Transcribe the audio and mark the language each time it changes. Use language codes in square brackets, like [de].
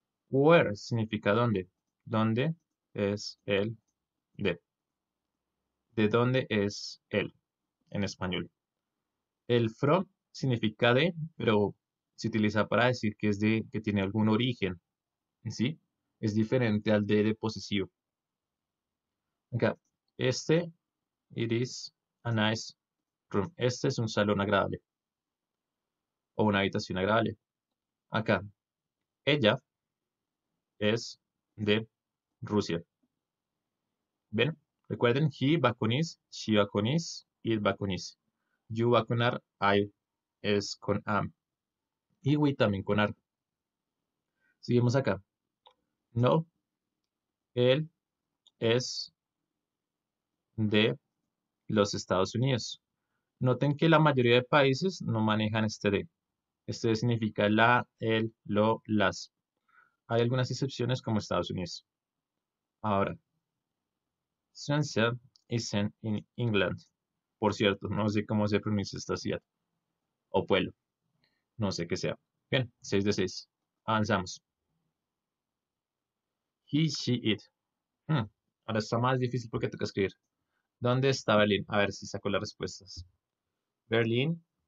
[es] Where significa dónde. ¿Dónde es el de? ¿De dónde es él en español? El from significa de, pero se utiliza para decir que es de, que tiene algún origen. ¿Sí? Es diferente al de posesivo. Acá, este, [en] it is a nice room. [es] Este es un salón agradable. O una habitación agradable. Acá, ella es de Rusia. ¿Ven? Recuerden, he va con is, she va con is, it va con is. You va con are, I es con am. Y we también con are. Seguimos acá. No, él es de los Estados Unidos. Noten que la mayoría de países no manejan este de. Este de significa la, el, lo, las. Hay algunas excepciones como Estados Unidos. Ahora, [en] Swansea is in England. [es] Por cierto, no sé cómo se pronuncia esta ciudad o pueblo. No sé qué sea. Bien, 6 de 6. Avanzamos. He, she, it. Ahora está más difícil porque toca escribir. ¿Dónde está Berlín? A ver si saco las respuestas. Berlín.